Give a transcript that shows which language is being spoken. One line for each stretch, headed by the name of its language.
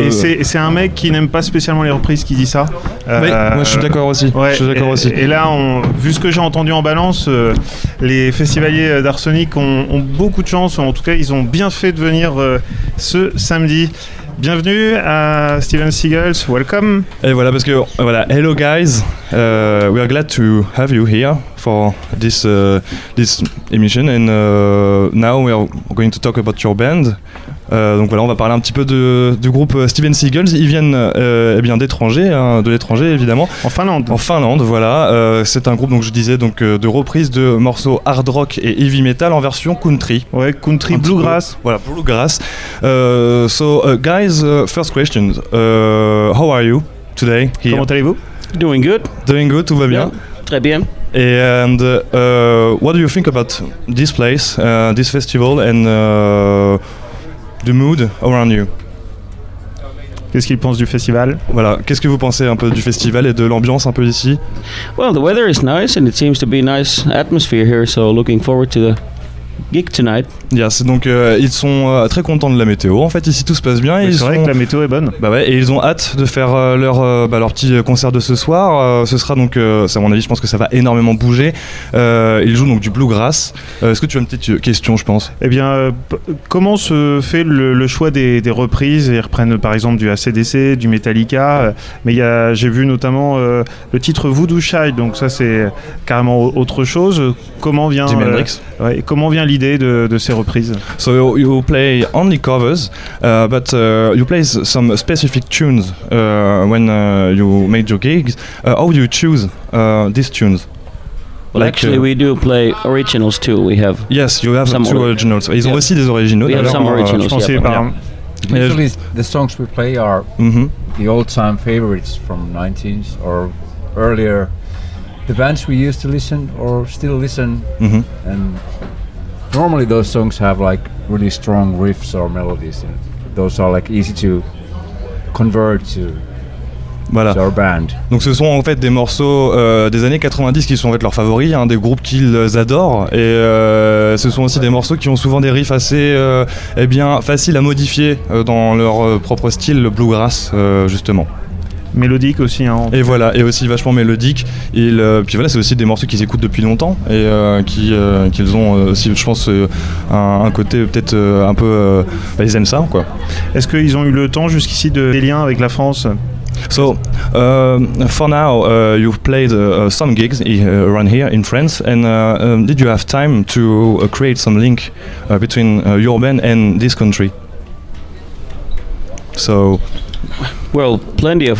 French: Et c'est un mec qui n'aime pas spécialement les reprises qui dit ça. Oui, moi je suis d'accord aussi. Ouais, je suis d'accord aussi. Et là, vu ce que j'ai entendu en balance, les festivaliers d'Arsenic ont beaucoup de chance, en tout cas, ils ont bien fait de venir ce samedi. Bienvenue à Steven Seagulls,
English: welcome.
French: Et voilà, parce que, voilà,
English: hello guys, we are glad to have you here for this this emission, and now we are going to talk about your band.
French: Donc voilà, on va parler un petit peu du groupe Steven Seagulls. Ils viennent bien d'étranger, hein, de l'étranger évidemment. En Finlande. En Finlande, voilà. C'est un groupe, donc je disais, donc de reprise de morceaux hard rock et heavy metal en version country. Ouais, country, bluegrass.
English: Voilà, bluegrass. Guys, first question. How are you today here?
French: Comment allez-vous?
English: Doing good. Doing good,
French: tout va bien. Très bien.
English: And what do you think about this place, this festival, and the mood around you?
French: Qu'est-ce qu'il pense du festival? Voilà, qu'est-ce que vous pensez un peu du festival et de l'ambiance un peu ici?
English: Well, the weather is nice and it seems to be a nice atmosphere here, so looking forward to the gig tonight.
French: Yes, donc ils sont très contents de la météo. En fait, ici tout se passe bien. Mais ils c'est sont... vrai que la météo est bonne. Bah ouais, et ils ont hâte de faire leur petit concert de ce soir. Ce sera donc, à mon avis, je pense que ça va énormément bouger. Ils jouent donc du bluegrass. Est-ce que tu as une petite question, je pense? Eh bien, comment se fait le choix des reprises? Ils reprennent par exemple du AC/DC, du Metallica. Mais j'ai vu notamment le titre Voodoo Child, donc ça c'est carrément autre chose. Comment vient, l'idée de ces reprises?
English: So you play only covers, but you play some specific tunes when you made your gigs. How do you choose these tunes? Well, like actually, we do play originals too. We have some two originals.
French: Ils ont aussi des originaux.
English: We have some originals.
French: Je pensais par.
English: Usually, the songs we play are the all-time favorites from 90s or earlier. The bands we used to listen or still listen and. Normally those songs have like really strong riffs or melodies in it. Those are like easy to convert to.
French: Voilà.
English: Our band.
French: Donc ce sont en fait des morceaux des années 90 qui sont en fait leurs favoris, hein, des groupes qu'ils adorent, et ce sont aussi des morceaux qui ont souvent des riffs assez faciles à modifier dans leur propre style, le bluegrass justement. Mélodique aussi, hein. Et voilà, et aussi vachement mélodique. Et puis voilà, c'est aussi des morceaux qu'ils écoutent depuis longtemps et qu'ils ont aussi, je pense, un côté peut-être un peu. Bah, ils aiment ça, quoi. Est-ce qu'ils ont eu le temps jusqu'ici de des liens avec la France?
English: So, for now, you've played some gigs around here in France, and did you have time to create some link between your band and this country? So. Well, plenty of.